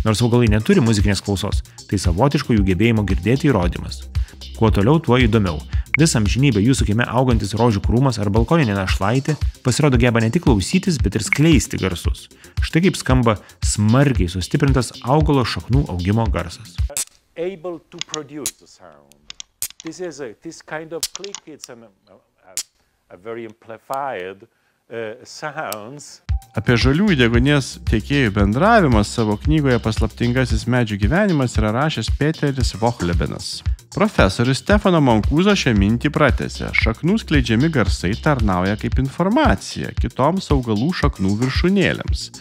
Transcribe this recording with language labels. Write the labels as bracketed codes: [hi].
[lt] Nors augalai neturi muzikinės klausos, tai savotiško jų gebėjimo girdėti įrodymas. Kuo toliau, tuo įdomiau. Visam žinybė jūsų kieme augantis rožių krūmas ar balkoninė našlaitė pasirodo geba ne tik klausytis, bet ir skleisti garsus. Štai kaip skamba smarkiai sustiprintas augalo šaknų augimo garsas. [en] Able to produce the sound. This is a, this kind of click, it's a very amplified sounds. [lt] Apie žalių deguonies tiekėjų bendravimą savo knygoje Paslaptingasis medžių gyvenimas yra rašęs Peteris Vohlebenas. Profesorius Stefano Mancuso šią mintį pratęsė. Šaknų skleidžiami garsai tarnauja kaip informacija kitoms augalų šaknų viršūnėlėms.